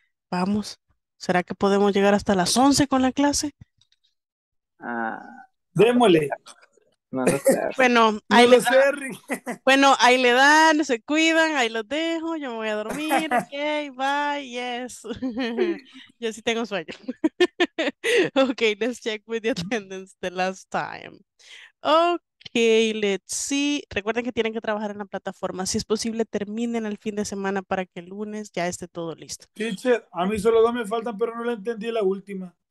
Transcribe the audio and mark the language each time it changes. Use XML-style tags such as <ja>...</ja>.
<es>Vamos, ¿será que podemos llegar hasta las 11 con la clase? Ah, démosle. Bueno, ahí le dan. Bueno, ahí le dan, se cuidan, ahí los dejo, yo me voy a dormir.</es> <en>Okay, bye, yes.</en> <es>Yo sí tengo sueño.</es> <en>Okay, let's check with the attendance the last time. Okay, let's see.</en> <es>Recuerden que tienen que trabajar en la plataforma. Si es posible, terminen el fin de semana para que el lunes ya esté todo listo. Teacher, a mí solo dos me faltan, pero no la entendí la última.</es>